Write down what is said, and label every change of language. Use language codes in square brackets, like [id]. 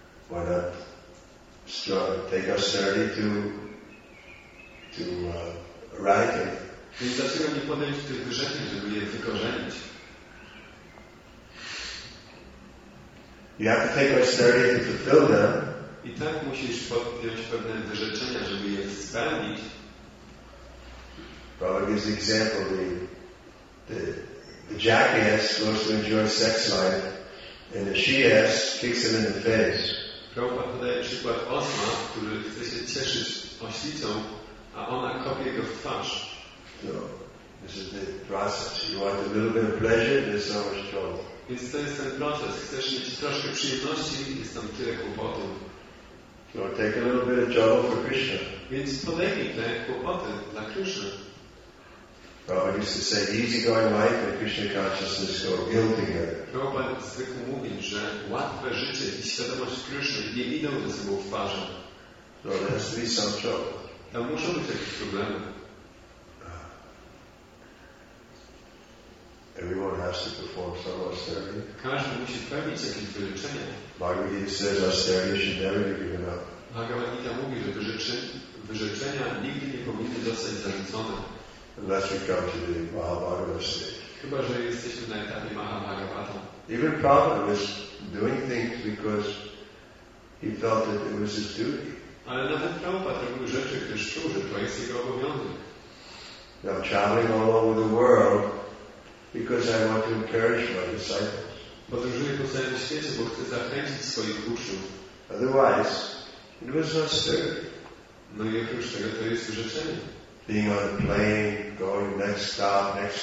[en] Why not take austerity to write it? [pl] Więc dlaczego nie podejść do tych grzechów, żeby je wykorzenić? [en] You have to take austerity to fulfill them. [pl] I tak musisz podjąć pewne wyrzeczenia, żeby je spełnić. [en] Prabhupada gives example, the jackass goes to enjoy sex life and the she-ass kicks him in the face. [pl] Prabhupada podaje przykład osła, który chce się cieszyć oślicą, a ona kopie go w twarz. [en] So, this is the process. You want a little bit of pleasure, there's so much trouble. [pl] Więc to jest ten proces. Chcesz mieć troszkę przyjemności, jest tam tyle kłopotów. [en] So take a little bit of trouble for Krishna. [pl] Więc podejmij te kłopoty dla Krishna. [en] Prabhupada used to say, easy going life and Krishna consciousness go ill together. [pl] Prabhupada zwykł mówić, że łatwe życie i świadomość Krishna nie idą ze sobą w parze. [en] So there has to be some trouble. [pl] Tam muszą być jakieś problemy. [en] Everyone has to perform some austerity. [pl] Każdy musi pełnić jakieś wyrzeczenie. [en] Bhagavad Gita says austerity should never be given up. [pl] Bhagavad Gita mówi, że wyrzeczenia nigdy nie powinny zostać zarzucone. [en] Unless we come to the Mahabharata stage. [pl] Chyba że jesteśmy na etapie Mahabharata. [en] Even Prabhupada was doing things because he felt that it was his duty. [pl] Ale nawet Prabhupada robił rzeczy, gdyż czuł, że to jest jego obowiązek. [en] Now traveling all over the world. Because I want to encourage my disciples. [pl] Podróżuję po całym świecie, bo chcę zachęcić swoich uczniów. [en] Otherwise, it was austerity. [pl] No i oprócz tego to jest wyrzeczenie. [en] Being on a plane, going next stop.